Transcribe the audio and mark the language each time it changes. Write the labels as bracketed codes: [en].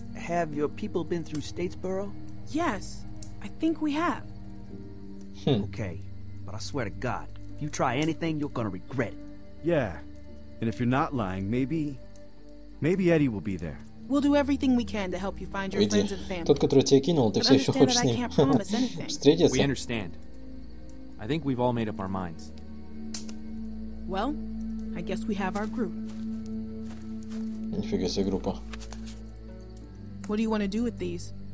[en] Have your people been through Statesboro? Yes, I think we have. Okay, but I swear to God, if you try anything, you're gonna regret it. Yeah, and if you're not lying, maybe... Maybe Eddie will be there. We'll do everything we can to help you find your friends and family. [ru] Тот, который тебя кинул, ты все еще хочешь с ним встретиться? [en] We understand. I think we've all made up our minds. Well, I guess we have our group. [ru] Нифига себе группа. [en] What do you want to do with these?